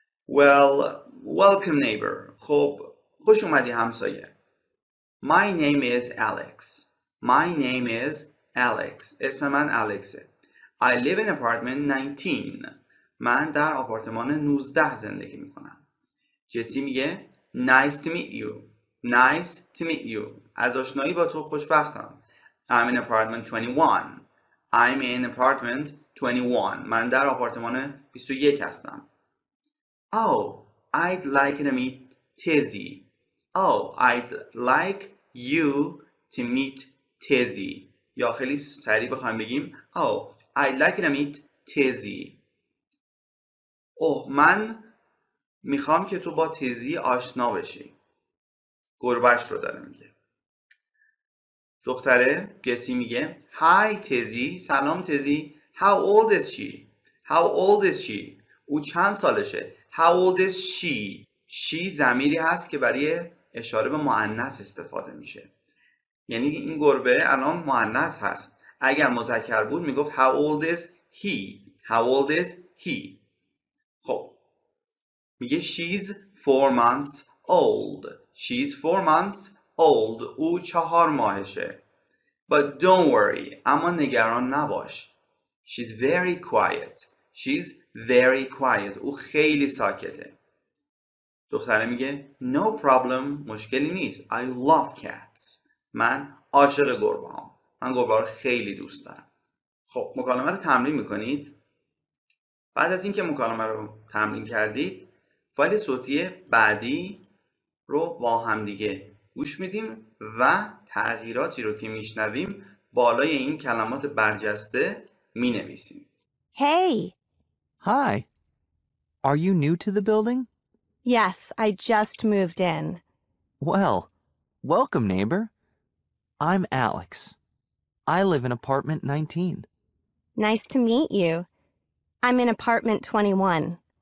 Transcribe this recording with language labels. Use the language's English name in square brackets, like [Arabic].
[English] Well, welcome neighbor. [Persian] خب خوش اومدی همسایه. [English] My name is Alex. My name is Alex. [Persian] اسم من Alexه. [English] I live in apartment 19. [Persian] من در آپارتمان 19 زندگی میکنم. جسی میگه [English] Nice to meet you. Nice to meet you. [Persian] از آشنایی با تو خوشبختم. [English] I'm in apartment 21. I'm in apartment 21. [Persian] من در آپارتمان 21 هستم. [English] Oh, I'd like to meet Tizzy. Oh, I'd like you to meet Tizzy. [Persian] یا خیلی سریع بخوام بگیم. [English] Oh, I'd like to meet Tizzy. [Persian] من میخوام که تو با تیزی آشنا بشی. گربش رو داره میگه. دختره گسی میگه هی تیزی، سلام تیزی. [English] How old is she? How old is she? [Persian] او چند سالشه؟ [English] How old is she? [Persian] She ضمیری هست که برای اشاره به مؤنث استفاده میشه. یعنی این گربه الان مؤنث هست. اگر مذکر بود میگفت [English] How old is he? How old is he? [Persian] خب میگه [English] She's 4 months old. She's 4 months old. [Persian] او 4 ماهشه. [English] But don't worry. [Persian] اما نگران نباش. [English] She's very quiet. She's very quiet. [Persian] او خیلی ساکته. دختره میگه [English] No problem. [Persian] مشکلی نیست. [English] I love cats. [Persian] من عاشق گربه هم. من گربه رو خیلی دوست دارم. خب مکالمه رو تمرین میکنید. بعد از اینکه مکالمه رو تمرین کردید، فایل صوتی بعدی رو با هم دیگه گوش میدیم و تغییراتی رو که میشنویم بالای این کلمات برجسته مینویسیم. [English] Hey. Hi. Are you new to the building? Yes, I just moved in. Well, welcome neighbor. I'm Alex. I live in apartment 19. Nice to meet you. I'm in apartment 21.